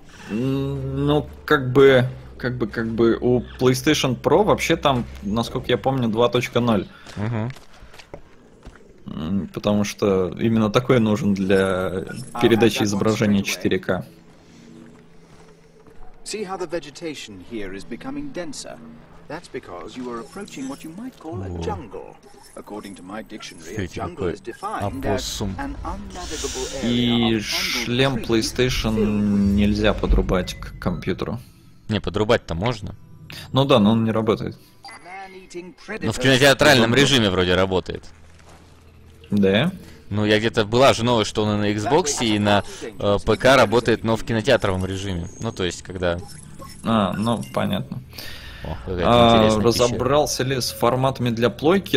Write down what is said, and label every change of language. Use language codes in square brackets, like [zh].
[ru] Ну, как бы у PlayStation Pro вообще там, насколько я помню, 2.0. Угу. Потому что именно такой нужен для передачи изображения 4К. [en] See how the vegetation here is becoming denser. That's because you are approaching what you might call a jungle. According to my dictionary, a jungle is defined as an unnavigable area. [ru] И шлем PlayStation нельзя подрубать к компьютеру. Не, подрубать-то можно. Ну да, но он не работает. Но в кинотеатральном режиме вроде работает. Да. Ну, я где-то была же новость, что он и на Xbox, и на ПК работает, но в кинотеатровом режиме. Ну, то есть, когда... А, ну, понятно. О, разобрался ли с форматами для плойки?